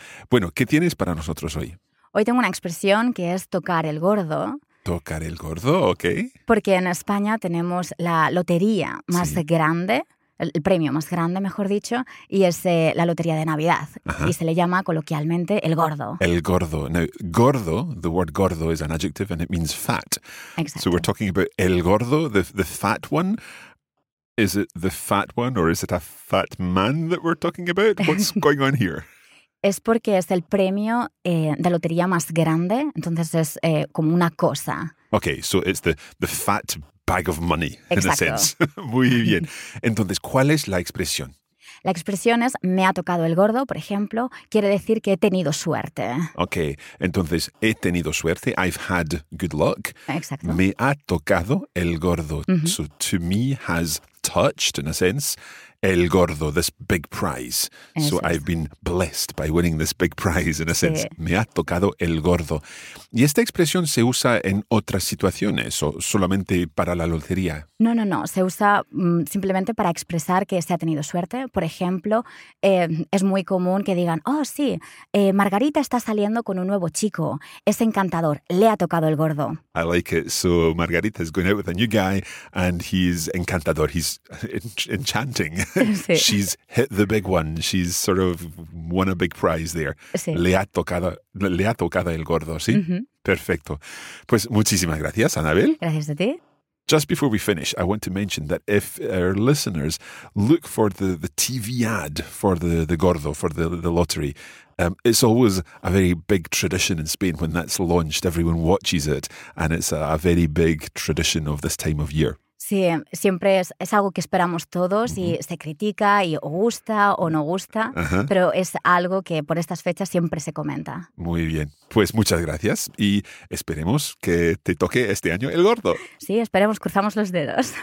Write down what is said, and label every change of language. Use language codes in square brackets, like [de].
[es] Bueno, ¿qué tienes para nosotros hoy? Hoy tengo una expresión que es tocar el gordo. ¿Tocar el gordo? Ok. Porque en España tenemos la lotería más grande, el premio más grande, mejor dicho, y es la lotería de Navidad. Ajá. Y se le llama coloquialmente el gordo. El gordo. [en] Now, gordo, the word gordo is an adjective and it means fat. [es] Exacto. [en] So we're talking about el gordo, the fat one. Is it the fat one or is it a fat man that we're talking about? What's going on here? [es] Es porque es el premio de lotería más grande, entonces es como una cosa. [en] Okay, so it's the fat bag of money, [es] exacto, [en] in a sense. [es] Muy bien. Entonces, ¿cuál es la expresión? La expresión es, me ha tocado el gordo, por ejemplo, quiere decir que he tenido suerte. [en] Okay, [es] entonces, he tenido suerte, [en] I've had good luck. [es] Exacto. Me ha tocado el gordo. Uh-huh. [en] So, to me has touched, in a sense, el gordo, this big prize. [es] Eso [en] so I've been blessed by winning this big prize, in a sense. [es] Me ha tocado el gordo. ¿Y esta expresión se usa en otras situaciones o solamente para la lotería? No, no, no. Se usa simplemente para expresar que se ha tenido suerte. Por ejemplo, es muy común que digan, oh, sí, Margarita está saliendo con un nuevo chico. Es encantador. Le ha tocado el gordo. [en] I like it. So Margarita is going out with a new guy and he's encantador. He's enchanting. [es] Sí. [en] She's hit the big one. She's sort of won a big prize there. [es] Sí. Le ha tocado el gordo, ¿sí? Uh-huh. Perfecto. Pues muchísimas gracias, Anabel. Gracias a ti. [en] Just before we finish, I want to mention that if our listeners look for the TV ad for the gordo, for the lottery, it's always a very big tradition in Spain when that's launched. Everyone watches it and it's a very big tradition of this time of year. [es] Sí, siempre es algo que esperamos todos y se critica y o gusta o no gusta, pero es algo que por estas fechas siempre se comenta. Muy bien, pues muchas gracias y esperemos que te toque este año el gordo. Sí, esperemos, cruzamos los dedos.